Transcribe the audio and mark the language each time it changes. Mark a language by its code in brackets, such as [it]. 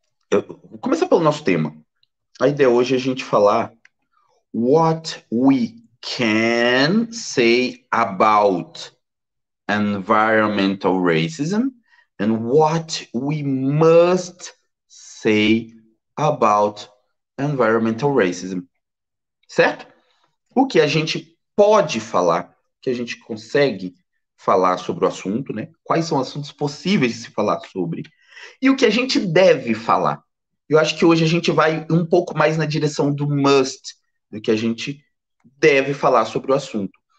[pt] Vou começar pelo nosso tema. A ideia hoje é a gente falar [en] what we can say about environmental racism and what we must say about environmental racism. [pt] Certo? O que a gente pode falar, o que a gente consegue falar sobre o assunto, né? Quais são assuntos possíveis de se falar sobre e o que a gente deve falar. Eu acho que hoje a gente vai um pouco mais na direção do must, do que a gente deve falar sobre o assunto.